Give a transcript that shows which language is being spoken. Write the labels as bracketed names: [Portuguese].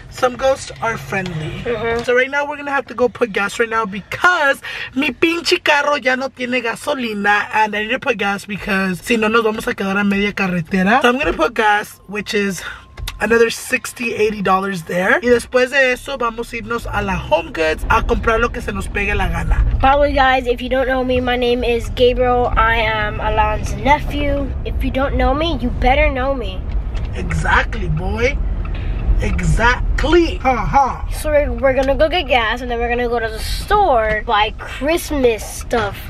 [English] Some ghosts are friendly. Mm-hmm. So right now, we're going to have to go put gas right now because [Spanish] mi pinche carro ya no tiene gasolina. [English] And I need to put gas because [Spanish] si no, nos vamos a quedar a media carretera. [English] So I'm going to put gas, which is another $60-$80 there. [Spanish] Y después de eso, vamos a irnos a la Home Goods a comprar lo que se nos pegue la gana. [English] By the way, guys, if you don't know me, my name is Gabriel. I am Alan's nephew. If you don't know me, you better know me. Exactly, boy. Exactly. Huh. So we're going to go get gas, and then we're going to go to the store, buy Christmas stuff.